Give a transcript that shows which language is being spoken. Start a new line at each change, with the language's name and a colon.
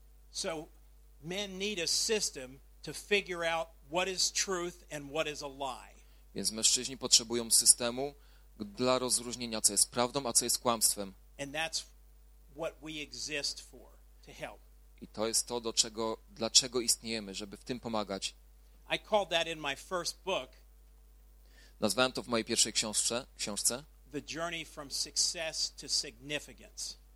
English: So men need a system to figure out what is truth and what is a lie.
Polish: Więc mężczyźni potrzebują systemu dla rozróżnienia, co jest prawdą, a co jest kłamstwem.
English: And that's what we exist for, to help.
Polish: I to jest to, dlaczego istniejemy, żeby w tym pomagać.
English: I called that in my first book,
Polish: nazwałem to w mojej pierwszej książce
English: The Journey from Success to Significance.